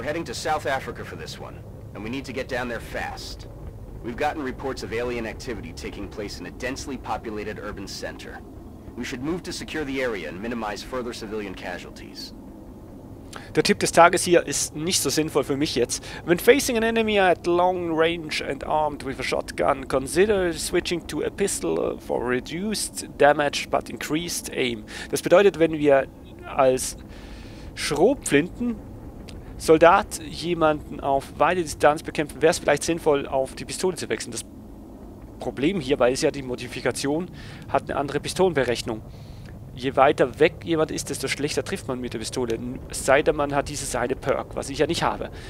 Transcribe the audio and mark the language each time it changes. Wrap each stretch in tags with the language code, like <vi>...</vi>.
<de>Wir gehen nach Südafrika für diese eine. Und wir müssen da schnell. Wir haben Reports von Alien-Aktivität in einem</de> <en>densely populated urban center.</en> <de>Wir sollten die Area sichern und</de> <en>minimize further civilian casualties.</en> <de>Der Tipp des Tages hier ist nicht so sinnvoll für mich jetzt.</de> <en>When facing an enemy at long range and armed with a shotgun, consider switching to a pistol for reduced damage but increased aim.</en> <de>Das bedeutet, wenn wir als Schrotflinten-Soldat jemanden auf weite Distanz bekämpfen, wäre es vielleicht sinnvoll, auf die Pistole zu wechseln. Das Problem hierbei ist ja, die Modifikation hat eine andere Pistolenberechnung. Je weiter weg jemand ist, desto schlechter trifft man mit der Pistole. Es sei denn, man hat dieses eine Perk, was ich ja nicht habe.</de>